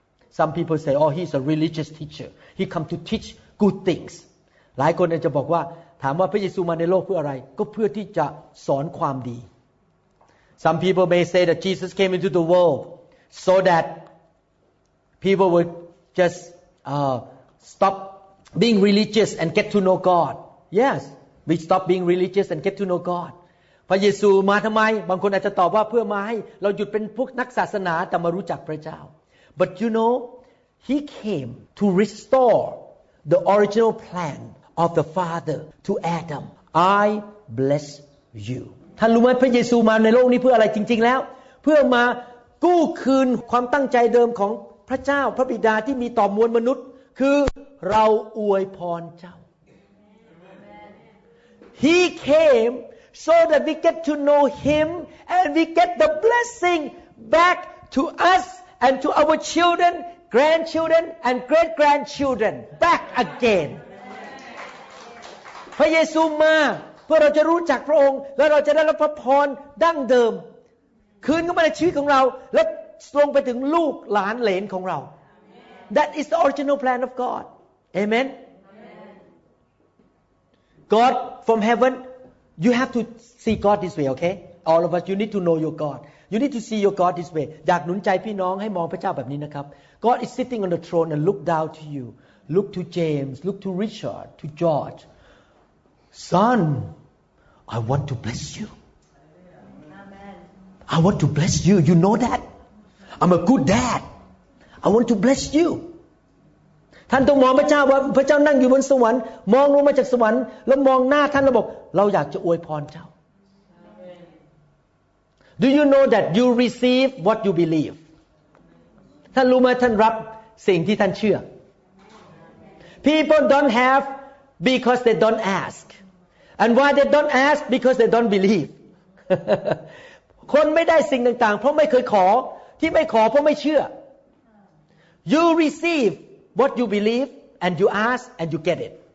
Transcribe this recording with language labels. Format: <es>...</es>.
<en>Some people say, oh, he's a religious teacher. He come to teach good things.</en> <th>หลายคนจะบอกว่าถามว่าพระเยซูมาในโลกเพื่ออะไรก็เพื่อที่จะสอนความดี</th> <en>Some people may say that Jesus came into the world so that people would just stop being religious and get to know God. Yes, we stop being religious and get to know God.</en> <th>พระเยซูมาทำไมบางคนอาจจะตอบว่าเพื่อมาให้เราหยุดเป็นพวกนักศาสนาแต่มารู้จักพระเจ้า</th> <en>But you know, he came to restore the original plan of the Father to Adam. I bless you.</en> <th>ท่านรู้ไหมพระเยซูมาในโลกนี้เพื่ออะไรจริงๆแล้วเพื่อมากู้คืนความตั้งใจเดิมของพระเจ้าพระบิดาที่มีต่อมวลมนุษย์คือเราอวยพรเจ้า</th> <en>He came so that we get to know him and we get the blessing back to us and to our children, grandchildren and great grandchildren back again</en> <th>พระเยซูมาเราจะรู้จักพระองค์แล้วเราจะได้รับพระพรดั้งเดิมคืนเข้ามาในชีวิตของเราและลงไปถึงลูกหลานเหลนของเรา</th> <en>That is the original plan of God. Amen. God from heaven, you have to see God this way, okay? All of us, you need to know your God. You need to see your God this way.</en> <th>อยากหนุนใจพี่น้องให้มองพระเจ้าแบบนี้นะครับ</th> <en>God is sitting on the throne and look down to you. Look to James, look to Richard, to George. Son, I want to bless you. Amen. I want to bless you. You know that? I'm a good dad. I want to bless you.</en> <th>ท่านต้องมองพระเจ้าว่าพระเจ้านั่งอยู่บนสวรรค์มองลงมาจากสวรรค์แล้วมองหน้าท่านแล้วบอกเราอยากจะอวยพรเจ้า</th> <en>Do you know that you receive what you believe?</en> <th>ท่านรู้ไหมท่านรับสิ่งที่ท่านเชื่อ</th> <en>People don't haveBecause they don't ask. And why they don't ask? Because they don't believe.</en> <th>คนไม่ได้สิ่งต่างๆเพราะไม่เคยขอที่ไม่ขอเพราะไม่เชื่อ</th> <en>You receive what you believe and you ask and you get it.</en>